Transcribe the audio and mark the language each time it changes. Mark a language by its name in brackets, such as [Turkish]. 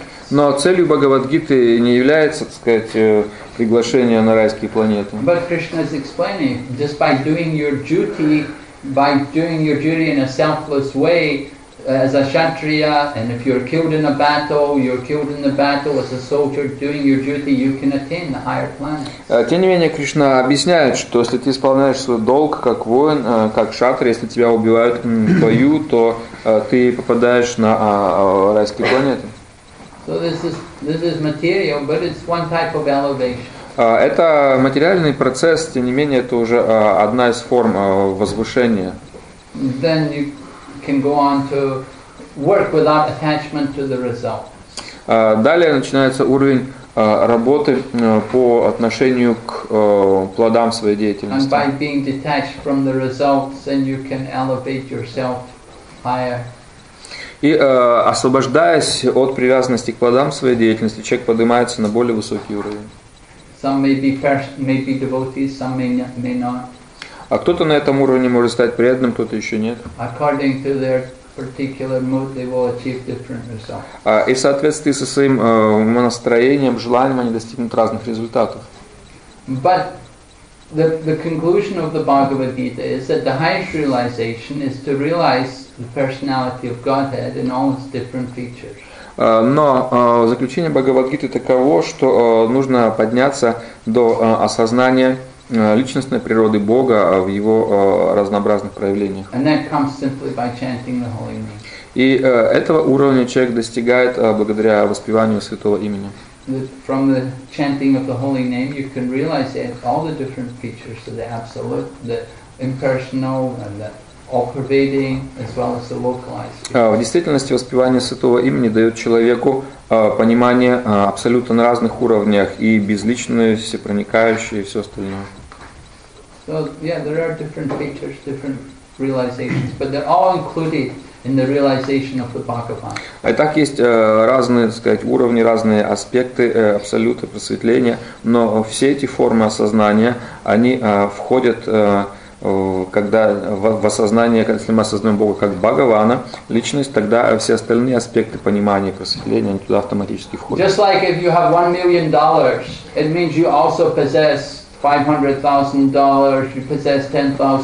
[Russian] Но целью Бхагавад-гиты не является, так сказать, приглашение на райские планеты. [English] But Krishna is explaining, just by doing your duty in a selfless way, as a kshatriya, and if you're killed in a battle, you're killed in the battle as a soldier, doing your duty, you can attain the higher planets. [Russian] Тем не менее, Кришна объясняет, что если ты исполняешь свой долг как воин, как кшатрия, если тебя убивают в бою, то ты попадаешь на райские планеты. [English] So this is material, but it's one type of elevation. [Russian] Это материальный процесс, тем не менее, это уже одна из форм возвышения. [English] Then you can go on to work without attachment to the result. [Russian] Далее начинается уровень работы по отношению к плодам своей деятельности. [English] And by being detached from the results, then you can elevate yourself higher. [Russian] И освобождаясь от привязанности к плодам своей деятельности, человек поднимается на более высокий уровень. [English] Some may be first, may be devotees, some may not. [Russian] А кто-то на этом уровне может стать преданным, кто-то еще нет. [English] According to their particular mood, they will achieve different results. [Russian] И в соответствии со своим настроением, желанием, они достигнут разных результатов. [English] But the conclusion of the Bhagavad Gita is that the highest realization is to realize the personality of Godhead in all its different features. [Russian] Но заключение Бхагавад-гиты таково, что нужно подняться до осознания личностной природы Бога в его разнообразных проявлениях. [English] And that comes simply by chanting the holy name. [Russian] И этого уровня человек достигает благодаря воспеванию святого имени. [English] From the chanting of the holy name, you can realize that all the different features of the absolute, the impersonal, and the all-pervading, as well as the localized. [Russian] В действительности воспевание святого имени дает человеку понимание абсолютно на разных уровнях и безличное, всепроникающее и все остальное. [English] So yeah, there are different features, different realizations, but they're all included in the realization of the Bhagavan. [Russian] Итак, есть разные, так сказать, уровни, разные аспекты абсолюта просветления, но все эти формы осознания, они входят когда в осознание, если мы осознаем Бога как Бхагавана, личность, тогда все остальные аспекты понимания, просветления, они туда автоматически входят. [English] Just like if you have $1 million, it means you also possess $500,000, you possess $10,000.